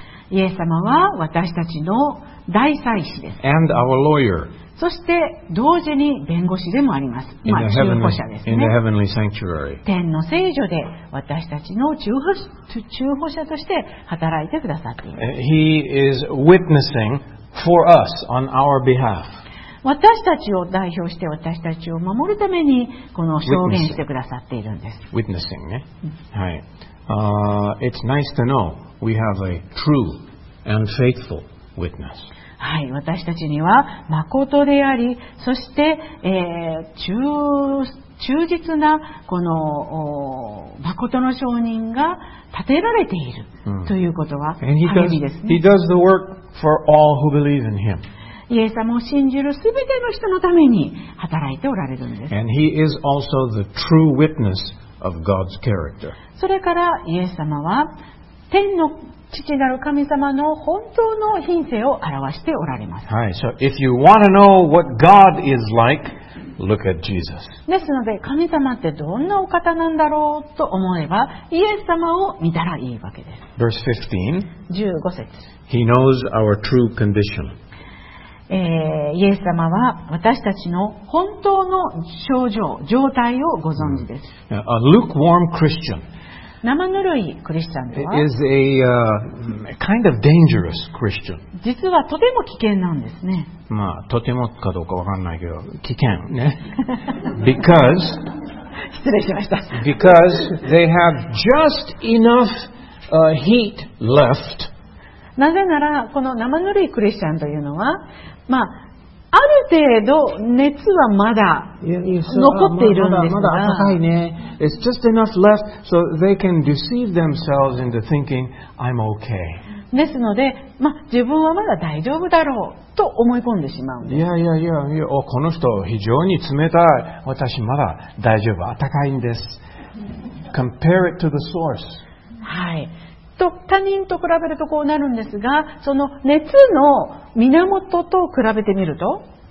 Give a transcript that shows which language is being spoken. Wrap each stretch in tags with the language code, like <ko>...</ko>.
<ja>イエス様は私たちの大祭司です。</ja> <en>And our lawyer.</en> <ja>そして同時に弁護士でもあります。今中保者ですね。</ja> <en>In the heavenly sanctuary.</en> <ja>天の聖所で私たちの中保者として働いてくださっています。</ja> <en>He is witnessing for us on our behalf.</en> <ja>私たちを代表して私たちを守るためにこの証言してくださっているんです。 Witnessing ね。はい。</ja> <en>It's nice to know we have a true and faithful witness.</en> <ja>はい、私たちには誠であり、そして、忠実なこの誠の証人が立てられているということは励みですね。</ja> <en>He does the work for all who believe in him.</en> <ja>イエス様を信じるすべての人のために働いておられるんです。</ja> <en>And he is also the true witness of God's character.</en> <ja>それからイエス様は天の父なる神様の本当の品性を表しておられます。はい、</ja> <en>so if you want to know what God is like, look at Jesus.</en> <ja>ですので、神様ってどんなお方なんだろうと思えば、イエス様を見たらいいわけです。</ja> <en>Verse</en> <ja>15節。</ja> <en>He knows our true condition.</en> <ja>イエス様は私たちの本当の症状、状態をご存知です。</ja> <en>A lukewarm Christian.</en> <ja>生ぬるいクリスチャンとは、</ja> <en>It is a kind of dangerous Christian.</en> <ja>実はとても危険なんですね。まあとてもかどうかわかんないけど危険ね。</ja> <en>Because</en> <ja>失礼しました。</ja> <en>Because they have just enough heat left.</en> <ja>なぜならこの生ぬるいクリスチャンというのは、まあある程度熱はまだ残っているんですが、まだ暖かいね。</ja> <en>It's just enough left so they can deceive themselves into thinking I'm okay。</en> <ja>ですので、まあ、自分はまだ大丈夫だろうと思い込んでしまうんです。いや、この人非常に冷たい。私まだ大丈夫、暖かいんです。</ja> <en>Compare it to the source。</en> <ja>はい。と他人と比べるとこうなるんですが、その熱の源と比べてみると、</ja>